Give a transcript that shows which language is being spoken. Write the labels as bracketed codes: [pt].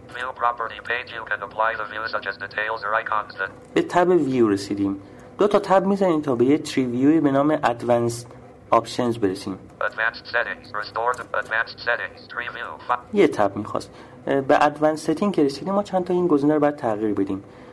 [en] view property page you can apply the view such as details or icons that... [fa] به تب view رسیدیم، دو تا تب میزنیم تا به یه تری ویوی به نام advanced options برسیم. [en] advanced settings restore the advanced settings tree view [fa] یه تب میخواست، به advanced setting که رسیدیم ما چند تا این گزینه رو باید تغییر بدیم.